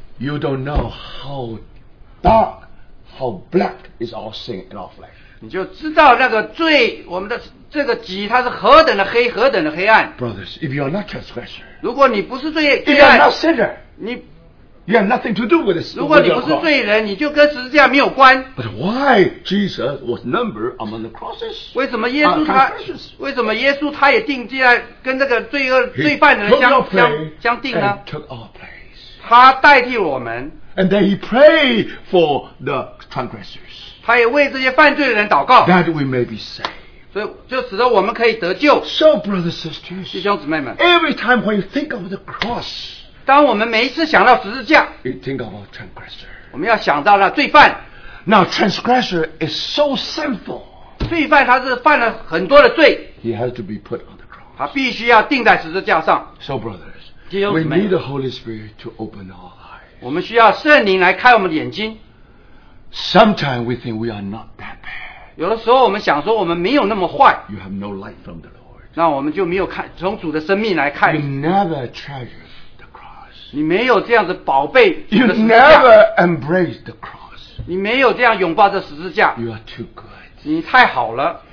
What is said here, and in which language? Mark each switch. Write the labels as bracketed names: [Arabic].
[English] ，You don't know how dark, how black is our sin and our flesh. [Chinese] 你就知道那个罪，我们的这个己，它是何等的黑，何等的黑暗。 [English] Brothers, if you are not transgressor, [Chinese] 如果你不是罪犯 [English] ，If you are not sinner, [Chinese] 你。 [English] You have nothing to do with this. [Chinese] 如果你不是罪人，你就跟十字架没有关。 [English] But why Jesus was numbered among the crosses? [Chinese] 为什么耶稣他？为什么耶稣他也定在跟那个罪恶罪犯的人相定呢 [English] ？Took our place. [Chinese] 他代替我们。 [English] And then he prayed for the transgressors. [Chinese] 他也为这些犯罪的人祷告。 [English] That we may be saved. [Chinese] 就使得我们可以得救。 [English] So brothers and sisters, [Chinese] 弟兄姊妹们 [English] ，Every time when you think of the cross. [Chinese] 当我们每一次想到十字架 [English] you think of a transgressor. [Chinese] 我们要想到那罪犯 [English] Now transgressor is so sinful [Chinese] 罪犯他是犯了很多的罪 [English] He has to be put on the cross [Chinese] 他必须要钉在十字架上 [English] So brothers We need the Holy Spirit to open our eyes [Chinese] 我们需要圣灵来开我们的眼睛 [English] Sometimes we think we are not that bad [Chinese] 有的时候我们想说我们没有那么坏 [English] You have no light from the Lord [Chinese] 那我们就没有看从主的生命来看 [English] You never treasure [Chinese] 你没有这样子宝贝 [English] You never embrace the cross. [Chinese] 你没有这样拥抱这十字架 [English] You are too good. [Chinese] 你太好了